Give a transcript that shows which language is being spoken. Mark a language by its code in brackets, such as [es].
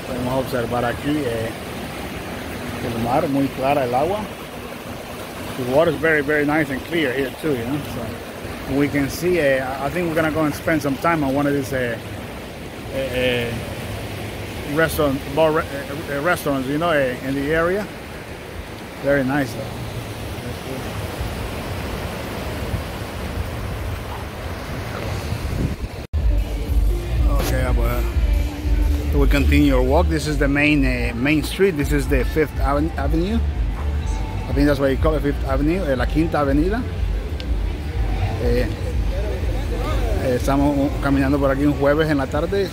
[es] Observar aquí el mar, muy clara el agua. [en] The water is very, very nice and clear here too, you know. So we can see, I think we're gonna go and spend some time on one of these restaurants, you know, in the area. Very nice though. We continue our walk. This is the main street. This is the Fifth Avenue. I think that's what you call it, Fifth Avenue, La Quinta Avenida. [es] Estamos caminando por aquí un jueves en la tarde.